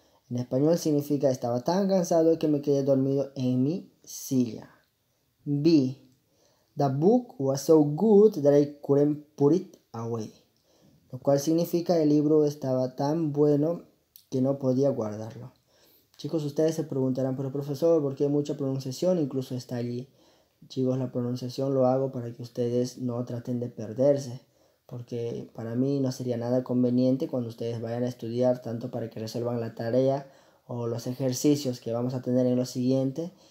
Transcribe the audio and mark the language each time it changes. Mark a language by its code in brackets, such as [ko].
[es] En español significa estaba tan cansado que me quedé dormido en mi silla. [en] B: the book was so good that I couldn't put it away. [es] Lo cual significa el libro estaba tan bueno que no podía guardarlo. Chicos, ustedes se preguntarán, pero profesor, ¿por qué hay mucha pronunciación? Incluso está allí. Chicos, la pronunciación lo hago para que ustedes no traten de perderse. Porque para mí no sería nada conveniente cuando ustedes vayan a estudiar, tanto para que resuelvan la tarea o los ejercicios que vamos a tener en lo siguiente.